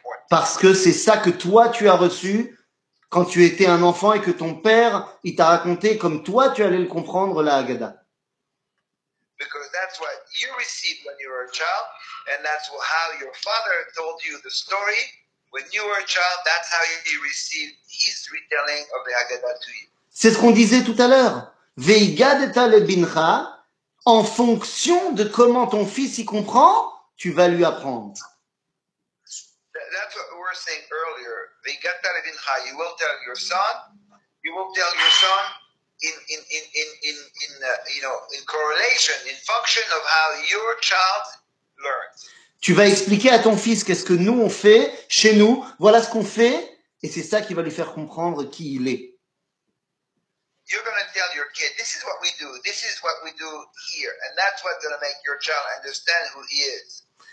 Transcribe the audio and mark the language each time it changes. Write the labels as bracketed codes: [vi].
[fr] Parce que c'est ça que toi, tu as reçu quand tu étais un enfant et que ton père, il t'a raconté comme toi, tu allais le comprendre, la Haggadah. [en] Because that's what you received when you were a child, and that's how your father told you the story. When you were a child, that's how he received his retelling of the Haggadah to you. [fr] C'est ce qu'on disait tout à l'heure. Veigadeta lebincha, en fonction de comment ton fils y comprend, tu vas lui apprendre. [en] That's what we were saying earlier. Veigadeta lebincha, you will tell your son. You will tell your son. In correlation, in function of how your child learns. [fr] Tu vas expliquer à ton fils qu'est-ce que nous on fait chez nous. Voilà ce qu'on fait, et c'est ça qui va lui faire comprendre qui il est. [en] You're going to tell your kid, this is what we do. This is what we do here, and that's what's going to make your child understand who he is.